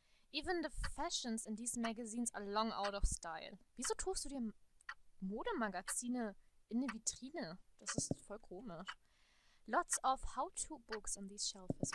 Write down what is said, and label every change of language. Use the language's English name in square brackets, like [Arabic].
[English] Even the fashions in these magazines are long out of style. [German] Wieso tust du dir Modemagazine in eine Vitrine? Das ist voll komisch. [English] Lots of how-to-books on these shelves.